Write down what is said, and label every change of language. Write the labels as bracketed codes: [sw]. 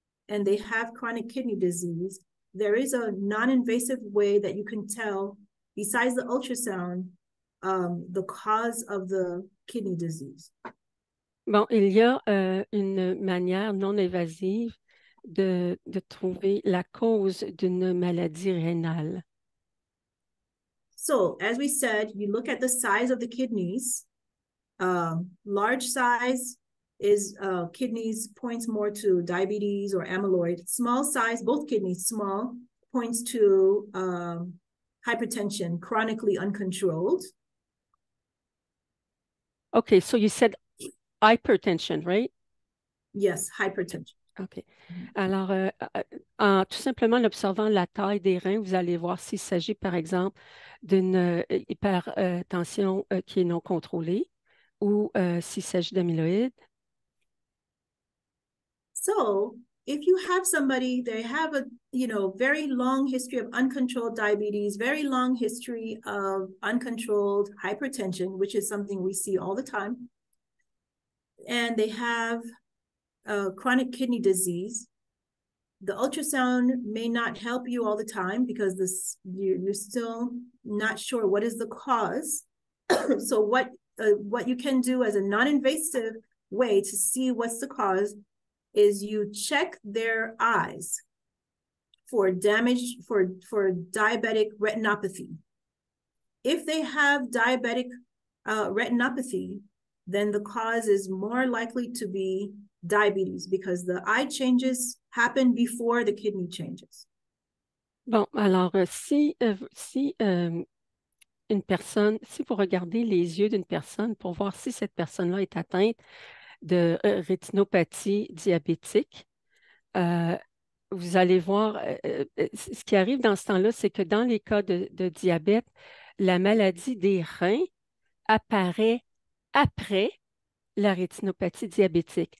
[en] and they have chronic kidney disease, there is a non-invasive way that you can tell, besides the ultrasound, the cause of the kidney disease. [fr] Bon, il y a une manière non évasive de trouver la cause d'une maladie rénale. [en] So, as we said, you look at the size of the kidneys. Large size is kidneys points more to diabetes or amyloid. Small size, both kidneys small, points to hypertension, chronically uncontrolled. Okay, so you said hypertension, right? Yes, hypertension. OK. [fr] Alors, en tout simplement en observant la taille des reins, vous allez voir s'il s'agit, par exemple, d'une hypertension qui est non contrôlée ou s'il s'agit d'amyloïde. [en] So, if you have somebody, they have a, very long history of uncontrolled diabetes, very long history of uncontrolled hypertension, which is something we see all the time, and they have chronic kidney disease. The ultrasound may not help you all the time because this you're still not sure what is the cause. So what you can do as a non-invasive way to see what's the cause is you check their eyes for damage for diabetic retinopathy. If they have diabetic retinopathy, then the cause is more likely to be diabetes because the eye changes happen before the kidney changes. [fr] Bon, alors, si vous regardez les yeux d'une personne pour voir si cette personne-là est atteinte de rétinopathie diabétique, vous allez voir, ce qui arrive dans ce temps-là, c'est que dans les cas de diabète, la maladie des reins apparaît après la rétinopathie diabétique.